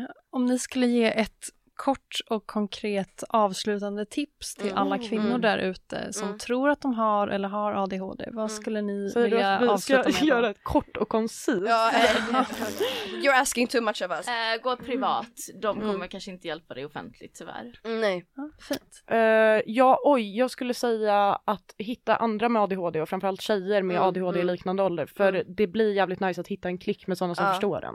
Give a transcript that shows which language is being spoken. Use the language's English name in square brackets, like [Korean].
[Swedish] Om ni skulle ge ett kort och konkret avslutande tips till alla kvinnor där ute som tror att de har eller har ADHD, vad skulle ni vilja avsluta med? Ska göra ett kort och koncist? [English] You're asking too much of us. [Swedish] Gå privat. De kommer kanske inte hjälpa dig offentligt, tyvärr. Nej. Fint. Jag skulle säga att hitta andra med ADHD och framförallt tjejer med ADHD i liknande ålder, för det blir jävligt nice att hitta en klick med sådana som förstår den.